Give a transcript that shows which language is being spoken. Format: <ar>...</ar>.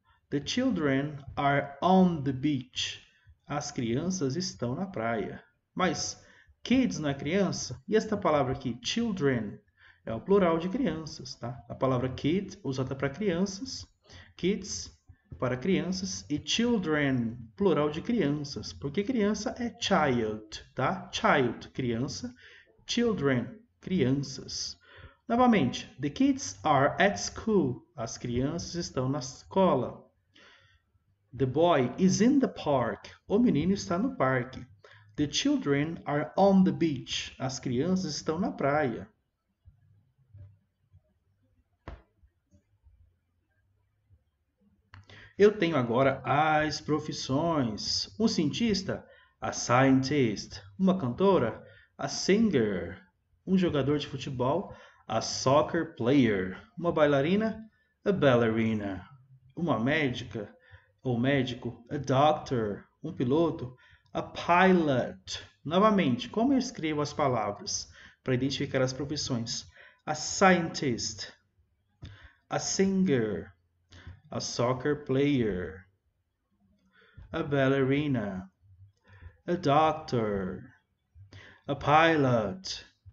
<en>The children are on the beach.</en> <pt>As crianças estão na praia. Mas kids não é criança? E esta palavra aqui, children, é o plural de crianças, tá? A palavra kid usada para crianças. Kids para crianças e children, plural de crianças, porque criança é child, tá? Child, criança. Children, crianças.</pt> <en>Novamente, the kids are at school.</en> <pt>As crianças estão na escola.</pt> <en>The boy is in the park.</en> <pt>O menino está no parque.</pt> <en>The children are on the beach.</en> <pt>As crianças estão na praia. Eu tenho agora as profissões. Um cientista, a scientist. Uma cantora, a singer. Um jogador de futebol, a soccer player. Uma bailarina, a ballerina. Uma médica ou médico, a doctor. Um piloto, a pilot. Novamente, como eu escrevo as palavras para identificar as profissões?</pt> <en>A scientist, a singer, a soccer player, a ballerina, a doctor, a pilot.</en>